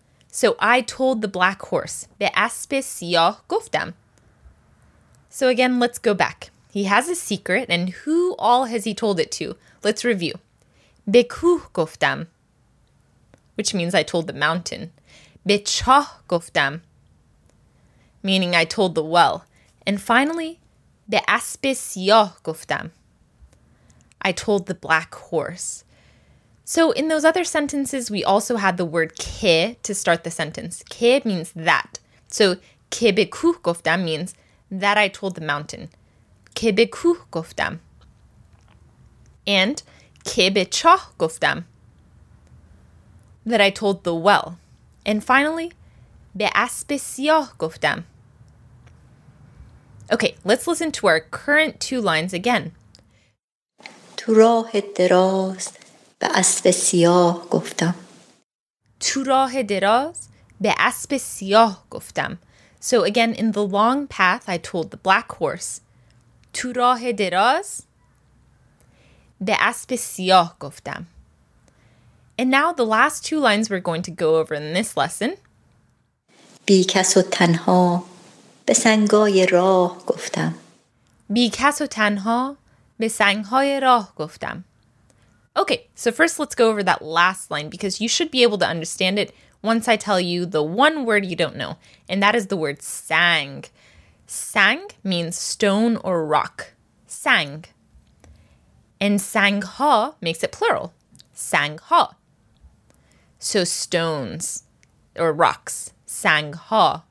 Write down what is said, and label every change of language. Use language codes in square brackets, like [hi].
[en] So I told the black horse, [fa] be aspe siyah goftam. [en] So again, let's go back. He has a secret, and who all has he told it to? Let's review. [fa] Be ku goftam, [en] which means I told the mountain. [fa] Be chah goftam, [en] meaning I told the well. And finally, [fa] به اسب سیاه گفتم. [en] I told the black horse. So in those other sentences, we also had the word که to start the sentence. که means that. So [fa] که به کوه گفتم [en] means that I told the mountain. [fa] که به کوه گفتم. And که به چاه گفتم. [en] That I told the well. And finally, [fa] به اسب سیاه گفتم. [en] Okay, let's listen to our current two lines again. [fa] تو راه دراز به اسب سیاه گفتم. تو راه دراز به اسب سیاه گفتم. [en] So again, in the long path, I told the black horse. [fa] تو راه دراز به اسب سیاه گفتم. [en] And now the last two lines we're going to go over in this lesson. [fa] بی کس و تنها به سنگای راه گفتم. بی کس و تنها به سنگهای راه گفتم. [en] Okay, so first let's go over that last line because you should be able to understand it once I tell you the one word you don't know, and that is the word sang. Sang means stone or rock. Sang. And sangha makes it plural. Sangha. So stones or rocks. Sangha.